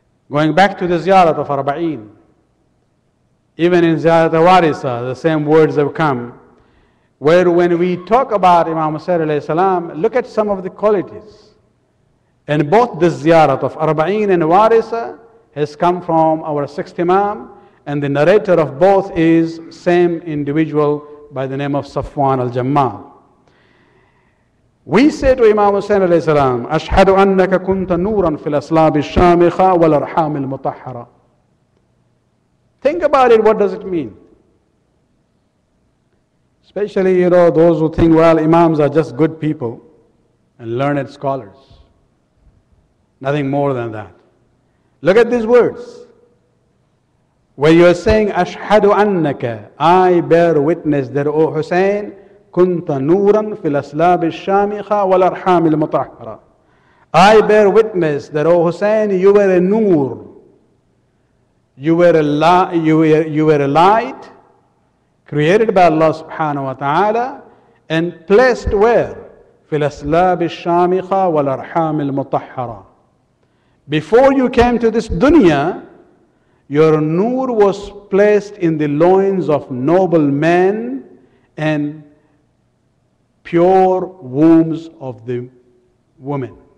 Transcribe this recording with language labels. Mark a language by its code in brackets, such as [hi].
[en] Going back to the Ziyarat of Arba'een, even in Ziyarat al-Warisa, the same words have come, where when we talk about Imam Hussain alayhi salam, look at some of the qualities. And both the Ziyarat of Arba'een and Warisa has come from our sixth Imam, and the narrator of both is same individual by the name of Safwan al-Jammal. We say to Imam Hussain alayhi salam, [ar] أشهد أنك كنت نورا في الأصلاب الشامخة والأرحام المطهرة. [en] Think about it, what does it mean? Especially, you know, those who think, well, Imams are just good people and learned scholars. Nothing more than that. Look at these words. When you are saying, [ar] أشهد أنك, [en] I bear witness that, O Hussein, [ar] كنت نورا في الأصلاب الشامخة والأرحام المطهرة. [en] I bear witness that, O Hussein, you were a noor. You were a light created by Allah subhanahu wa ta'ala and placed where? [ar] في الأصلاب الشامخة والأرحام المطهرة. [en] Before you came to this dunya, your nur was placed in the loins of noble men and pure wombs of the women.